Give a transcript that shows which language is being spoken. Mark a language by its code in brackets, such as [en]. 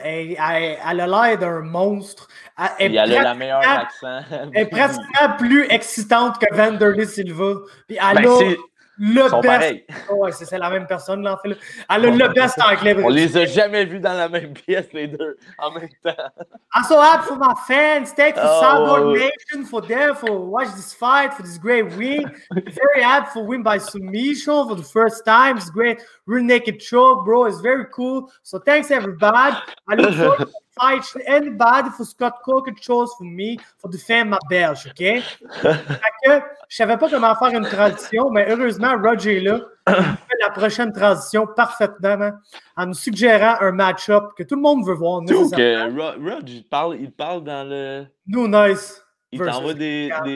[fr] Elle a l'air d'un monstre. Elle a la meilleure accent. Elle est presque plus excitante que Wanderlei Silva. Puis elle ben, a... c'est, le sont best. Pareils. Oh, ouais, c'est la même personne, là, en fait. Elle a le best en anglais. On les a jamais vus dans la même pièce, les deux, en même temps. [en] I'm so happy for my fans. Thank you, Soundboard Nation, for them, for watch this fight, for this great win. Very happy for win by submission for the first time. It's great. Real naked choke, bro. It's very cool. So thanks, everybody. I look forward to fight anybody for Scott Coker chose for me for defend my belt, OK? [fr] Fait que je savais pas comment faire une transition, mais heureusement, Roger est là. Il fait la prochaine transition parfaitement, hein, en nous suggérant un match-up que tout le monde veut voir. Nous, okay. Rog, il parle dans le... Nous, nice. Il t'envoie des